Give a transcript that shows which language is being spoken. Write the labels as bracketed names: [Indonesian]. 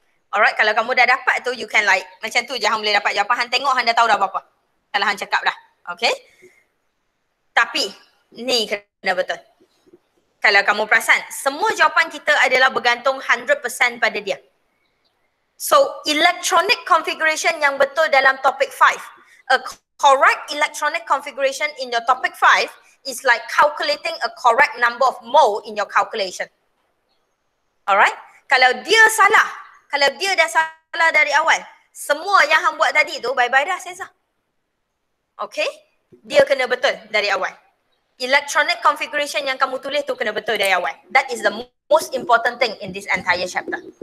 [Malay] Alright, kalau kamu dah dapat tu, [English] you can like. [Malay] Macam tu je hang boleh dapat jawapan. Hang tengok, hang dah tahu dah apa-apa. Kalau hang cakap dah. Okay? Tapi, ni kena betul. Kalau kamu perasan, semua jawapan kita adalah bergantung 100% pada dia. So, electronic configuration yang betul dalam topic 5. [English] A correct electronic configuration in your topic 5 is like calculating a correct number of mole in your calculation. [Malay] Alright? Kalau dia salah, kalau dia dah salah dari awal, semua yang hang buat tadi tu, bye-bye dah, selesa. Okay? Dia kena betul dari awal. Electronic configuration yang kamu tulis tu kena betul dari awal. [English] That is the most important thing in this entire chapter.